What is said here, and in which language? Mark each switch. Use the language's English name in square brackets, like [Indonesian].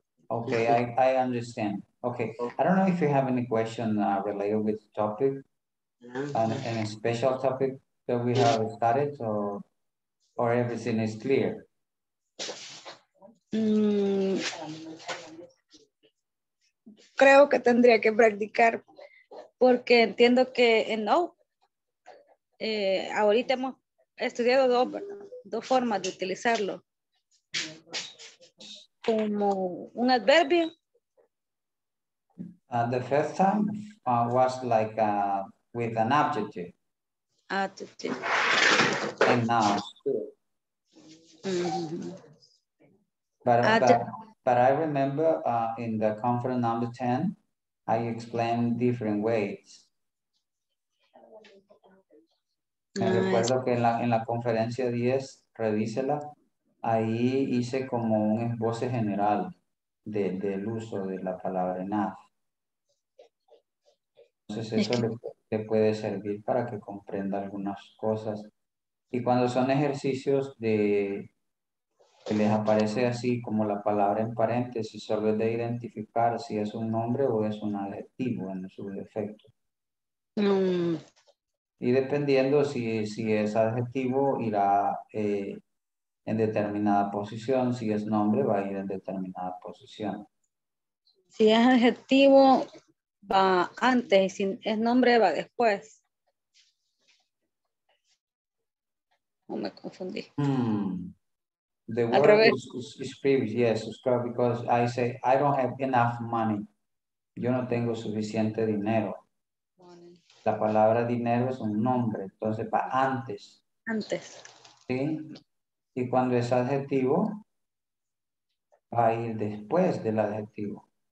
[English] Okay, I understand. Okay, I don't know if you have any question related with topic, and a special topic that we have started, or everything is clear. [Spanish] Creo que tendría que practicar porque entiendo que no. Ahorita hemos estudiado dos formas de utilizarlo. Como un adverbio. [English] The first time was like with an adjective. Adjective. And now. Mm-hmm. But I remember in the conference number 10, I explained different ways. [Spanish] Recuerdo que en la conferencia 10, revísela, ahí hice como un esbozo general del uso de la palabra enough. Entonces eso le puede servir para que comprenda algunas cosas. Y cuando son ejercicios de que les aparece así como la palabra en paréntesis, solo es de identificar si es un nombre o es un adjetivo en su defecto. Mm. Y dependiendo si es adjetivo, irá en determinada posición. Si es nombre, va a ir en determinada posición. Si es adjetivo, va antes. Si es nombre, va después. No me confundí. [English] The word is previous, yes, subscribe, because I say, I don't have enough money. [Spanish] Yo no tengo suficiente dinero. Money. La palabra dinero es un nombre, entonces va antes. Antes. Sí. Y cuando es adjetivo, va a ir después del adjetivo.